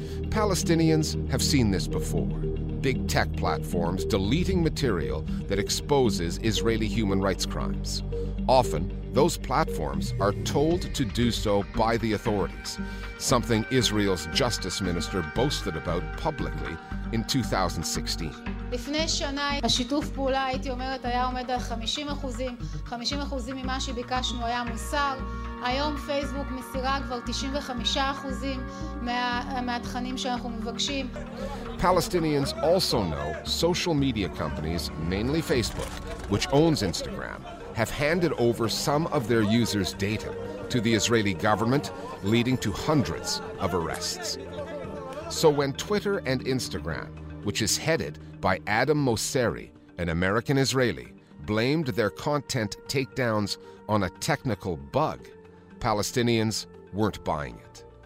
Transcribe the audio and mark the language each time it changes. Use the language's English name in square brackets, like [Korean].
[English] Palestinians have seen this before. Big tech platforms deleting material that exposes Israeli human rights crimes. Often, those platforms are told to do so by the authorities, something Israel's justice minister boasted about publicly in 2016. [Hebrew] לפני שנה, השיתוף פעולה, הייתי אומרת, היה עומד על 50%. 50% ממה שביקשנו היה מוסר. היום פייסבוק מסירה כבר 95% מהתכנים שאנחנו מבקשים. [English] Palestinians also know social media companies, mainly Facebook, which owns Instagram, have handed over some of their users' data to the Israeli government, leading to hundreds of arrests. So when Twitter and Instagram, which is headed by Adam Mosseri, an American Israeli, blamed their content takedowns on a technical bug, Palestinians weren't buying it.